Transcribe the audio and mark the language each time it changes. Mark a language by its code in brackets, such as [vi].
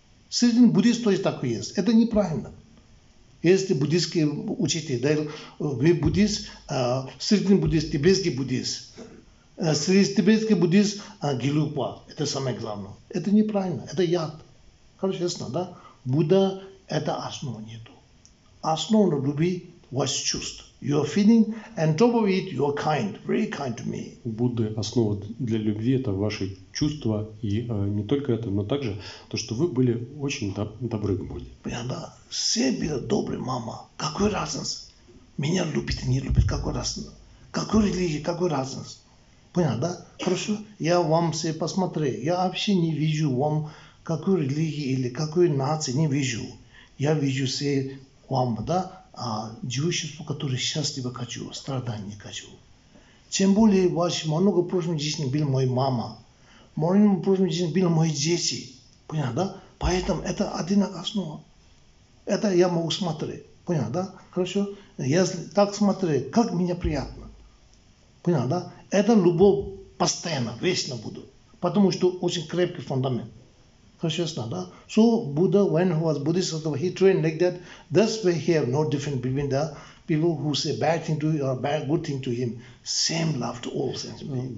[ru] Среди буддист тоже такой есть. Это неправильно. Если буддийский учитель, да, вы буддист, средний буддист, тибетский буддист, среди тибетский буддист гилупа, это самое главное. Это неправильно, это яд. Короче, ясно, да? Будда – это основа нету. Основа любви – ваш чувств. [en] Your feeling, and top of it, you're kind, very kind to me. [ru] У Будды основа для любви – это ваши чувства, и не только это, но также то, что вы были очень добры к Будде. Понятно? Все были добры, мама. Какой разница? Меня любит и не любит, какой разница? Какой религии, какой разница? Понятно, да? Хорошо, я вам все посмотрю. Я вообще не вижу вам, какой религии или какой нации, не вижу. Я вижу все вам, да? А живущество, которое счастливо хочу, страданий не хочу. Тем более, ваш много прошлым жизни был моя мама. Много прошлым жизни были мои дети. Понятно, да? Поэтому это одинаковая основа. Это я могу смотреть. Понятно, да? Хорошо? Если так смотреть, как мне приятно. Понятно, да? Это любовь постоянно, вечно буду. Потому что очень крепкий фундамент. Хорошо, да? [en] So Buddha, when he was Buddhist, he trained like that. That's why he have no difference between the people who say bad thing to him or bad good thing to him, same love to all sentient beings.